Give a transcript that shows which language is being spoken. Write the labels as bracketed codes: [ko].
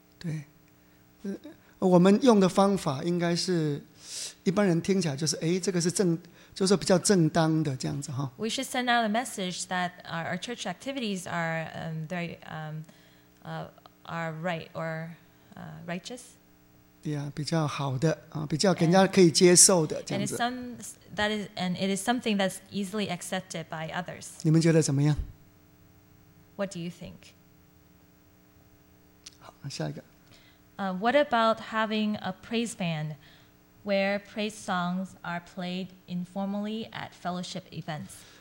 [zh] 对，我们用的方法应该是一般人听起来就是，哎，这个是正，就是比较正当的这样子哈。 [en] We should send out a message that our church activities are very are right or righteous. [zh] Yeah, 比较好的啊，比较人家可以接受的这样子。 [en] And it is something that's easily accepted by others. [zh] 你们觉得怎么样？ [en] What do you think? [zh] 好，下一个。 [en] What about having a praise band where praise songs are played informally at fellowship events?